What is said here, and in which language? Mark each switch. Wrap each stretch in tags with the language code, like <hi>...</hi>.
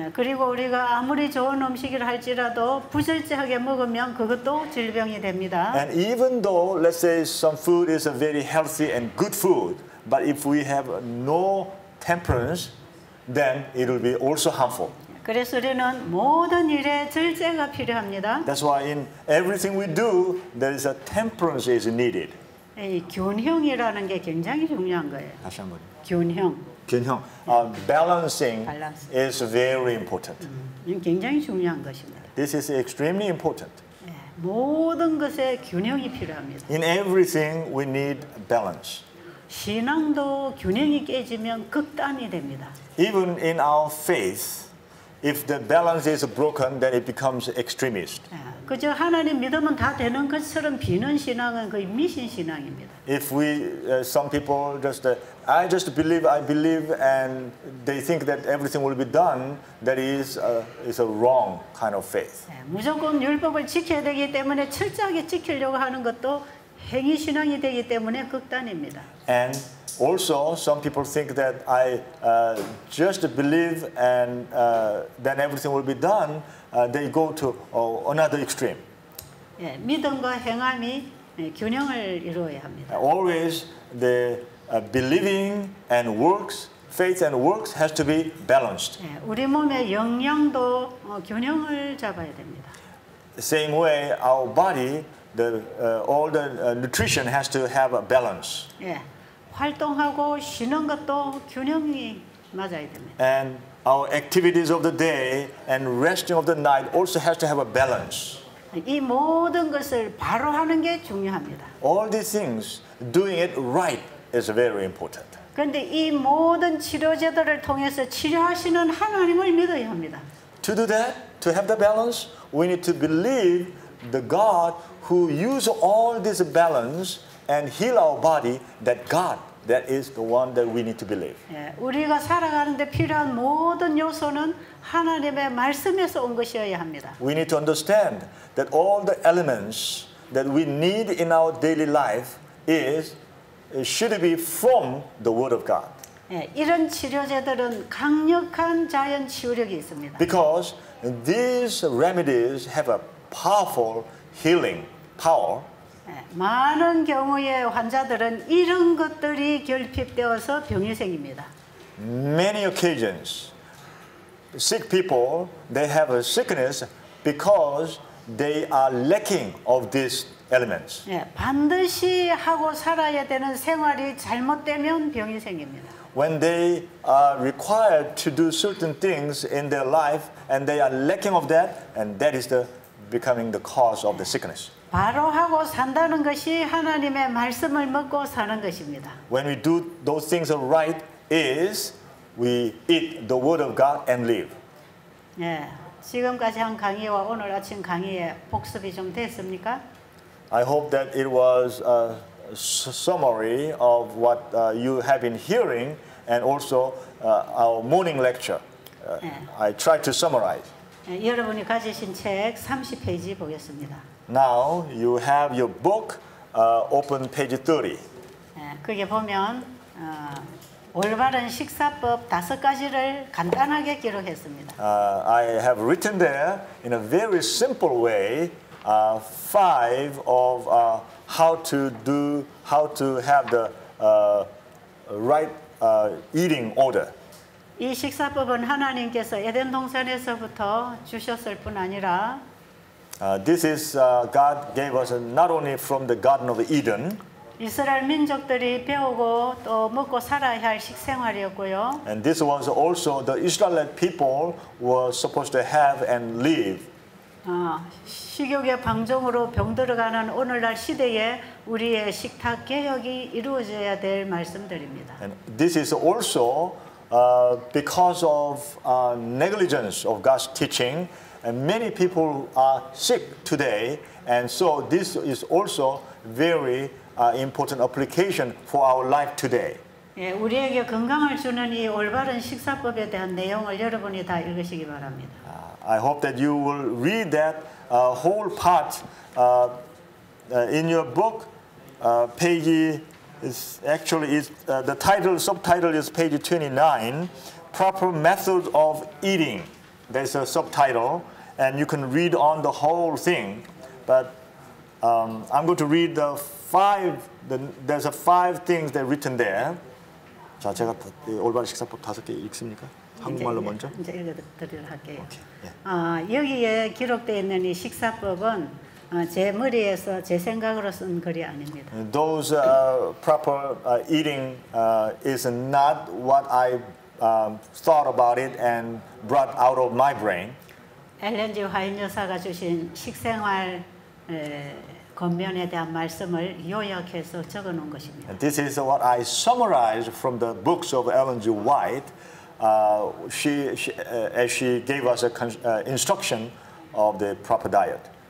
<ko>그리고 우리가 아무리 좋은 음식을 할지라도 부실하게 먹으면 그것도 질병이 됩니다.</ko> <en>And even though, let's say, some food is a very healthy and good food, but if we have no temperance, then it will be also harmful.</en> <ko>그래서 우리는 모든 일에 절제가 필요합니다.</ko> <en>That's why in everything we do, there is a temperance is needed.</en> <ko>이 균형이라는 게 굉장히 중요한 거예요. 다시 한 번. 균형.</ko> <en>균형. Balancing is very important.</en> <ko>굉장히 중요한 것입니다.</ko> <en>This is extremely important.</en> <ko>모든 것에 균형이 필요합니다.</ko> <en>In everything, we need balance.</en> <ko>신앙도 균형이 깨지면 극단이 됩니다.</ko> <en>Even in our faith, if the balance is broken, then it becomes extremist.</en> <ko>그저 하나님 믿으면 다 되는 것처럼 비는 신앙은 거의 미신 신앙입니다.</ko> <en>If we some people just I just believe I believe and they think that everything will be done, that is a wrong kind of faith.</en> <ko>무조건 율법을 지켜야 되기 때문에 철저하게 지키려고 하는 것도 행위 신앙이 되기 때문에 극단입니다.</ko> <en>And Also, some people think that I just believe and then everything will be done. They go to another extreme.</en> <ko>예, 믿음과 행함이 균형을 이루어야 합니다.</ko> <en>Always the believing and works, faith and works has to be balanced.</en> <ko>예, 우리 몸의 영양도 균형을 잡아야 됩니다.</ko> <en>Same way, our body, the all the nutrition has to have a balance.</en> <ko>예, 활동하고 쉬는 것도 균형이 맞아야 됩니다.</ko> <en>And our activities of the day and resting of the night also has to have a balance.</en> <ko>이 모든 것을 바로 하는 게 중요합니다.</ko> <en>All these things, doing it right is very important.</en> <ko>그런데 이 모든 치료제들을 통해서 치료하시는 하나님을 믿어야 합니다.</ko> <en>To do that, to have the balance, we need to believe the God who uses all this balance and heal our body, that God, that is the one that we need to believe.</en> <ko>예, 우리가 살아가는 데 필요한 모든 요소는 하나님의 말씀에서 온 것이어야 합니다.</ko> <en>We need to understand that all the elements that we need in our daily life is should be from the Word of God.</en> <ko>예, 이런 치료제들은 강력한 자연 치유력이 있습니다.</ko> <en>Because these remedies have a powerful healing power.</en> <ko>많은 경우에 환자들은 이런 것들이 결핍되어서 병이 생깁니다.</ko> <en>Many occasions, sick people, they have a sickness because they are lacking of these elements.</en> <ko>예, 반드시 하고 살아야 되는 생활이 잘못되면 병이 생깁니다.</ko> <en>When they are required to do certain things in their life and they are lacking of that, and that is the becoming the cause of the sickness.</en> <ko>바로 하고 산다는 것이 하나님의 말씀을 먹고 사는 것입니다.</ko> <en>When we do those things right is we eat the word of God and live.</en> <ko>예, 지금까지 한 강의와 오늘 아침 강의의 복습이 좀 됐습니까?</ko> <en>I hope that it was a summary of what you have been hearing and also our morning lecture. I tried to summarize.</en> <ko>예, 여러분이 가지신 책 30페이지 보겠습니다.</ko> <en>Now you have your book open page 30.</en> <ko>그게 보면 올바른 식사법 다섯 가지를 간단하게 기록했습니다.</ko> <en>I have written there in a very simple way five of how to have the right eating order.</en> <ko>이 식사법은 하나님께서 에덴 동산에서부터 주셨을 뿐 아니라</ko> <en>This is God gave us not only from the Garden of Eden.</en> <ko>이스라엘 민족들이 배우고 또 먹고 살아야 할 식생활이었고요.</ko> <en>And this was also the Israelite people were supposed to have and live.</en> <ko>식욕의 방종으로 병들어가는 오늘날 시대에 우리의 식탁 개혁이 이루어져야 될 말씀들입니다.</ko> <en>And this is also because of negligence of God's teaching. And many people are sick today, and so this is also very important application for our life today.</en> <ko>예, 우리에게 건강을 주는 이 올바른 식사법에 대한 내용을 여러분이 다 읽으시기 바랍니다.</ko> <en>I hope that you will read that whole part in your book. Page is actually is the title subtitle is page 29, proper methods of eating. There's a subtitle. And you can read on the whole thing, but I'm going to read the five. There's a five things that are written there.</en> <ko>자, 제가 올바른 식사법 다섯 개 읽습니까? 한국말로 먼저. 이제 읽어드리려 할게요. 여기에 기록돼 있는 이 식사법은 제 머리에서 제 생각으로 쓴 글이 아닙니다.</ko> <en>Those proper eating is not what I thought about it and brought out of my brain.</en> <ko>엘렌 G 화인 여사가 주신 식생활 권면에 대한 말씀을 요약해서 적어 놓은 것입니다.</ko> <en>And this is what I summarized from the books of Ellen G. White. She gave us a instruction of the proper diet.</en>